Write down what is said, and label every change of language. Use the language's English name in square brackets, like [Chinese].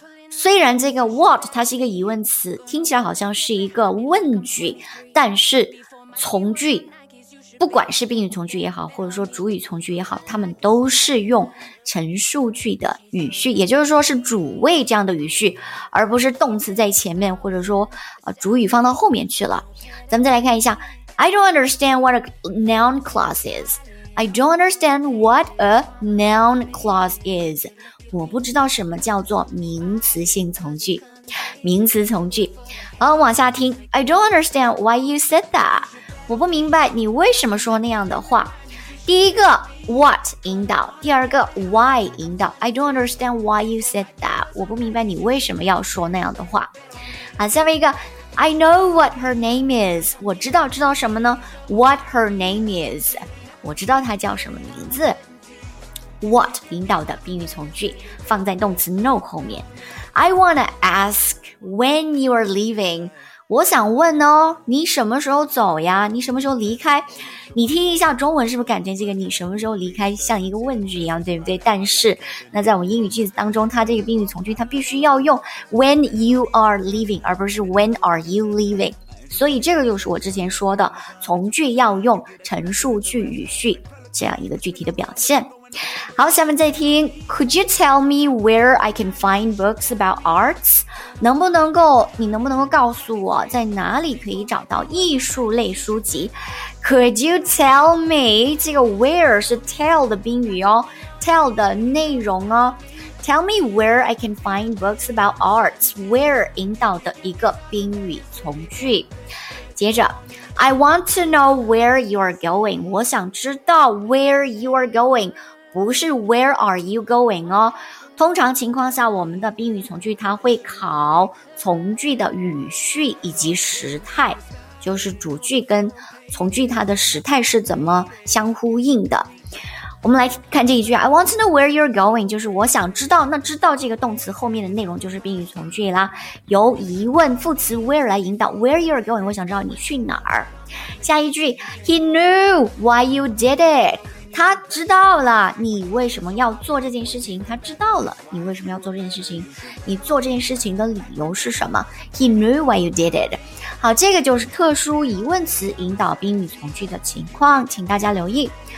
[Chinese] 虽然这个 what 它是一个疑问词，听起来好像是一个问句，但是从句不管是宾语从句也好，或者说主语从句也好，它们都是用陈述句的语序，也就是说是主谓这样的语序，而不是动词在前面，或者说主语放到后面去了。 [English] 咱们再来看一下， I don't understand what a noun clause is， I don't understand what a noun clause is， [Chinese] 我不知道什么叫做名词性从句，名词从句。好，往下听， [English] I don't understand why you said that， [Chinese] 我不明白你为什么说那样的话。第一个 what 引导，第二个 why 引导， [English] I don't understand why you said that， [Chinese] 我不明白你为什么要说那样的话。好，下面一个， [English] I know what her name is， [Chinese] 我知道什么呢？ [English] What her name is， [Chinese] 我知道她叫什么名字。 What 引导的宾语从句放在动词 know 后面。 [English] I wanna ask when you are leaving， [Chinese] 我想问哦，你什么时候走呀，你什么时候离开。你听一下中文是不是感觉这个你什么时候离开像一个问句一样，对不对？但是那在我们英语句子当中，它这个宾语从句它必须要用 [English] when you are leaving， [Chinese] 而不是 [English] when are you leaving， [Chinese] 所以这个就是我之前说的从句要用陈述句语序这样一个具体的表现。 [English] 好，下面再听， Could you tell me where I can find books about arts？ [Chinese] 你能不能够告诉我在哪里可以找到艺术类书籍？ [English] Could you tell me， [Chinese] 这个 where 是 tell 的宾语哦， tell 的内容哦。 [English] Tell me where I can find books about arts， where [Chinese] 引导的一个宾语从句。接着， [English] I want to know where you are going， [Chinese] 我想知道 [English] where you are going， [Chinese] 不是 [English] where are you going [Chinese] 哦。通常情况下我们的宾语从句它会考从句的语序以及时态，就是主句跟从句它的时态是怎么相呼应的。我们来看这一句 [English] I want to know where you're going [Chinese] 就是我想知道那知道这个动词后面的内容就是宾语从句啦由疑问副词 where 来引导 [English] where you're going [Chinese] 我想知道你去哪儿下一句 [English] He knew why you did it [Chinese] 他知道了你为什么要做这件事情他知道了你为什么要做这件事情你做这件事情的理由是什么 He knew why you did it 好这个就是特殊疑问词引导宾语从句的情况请大家留意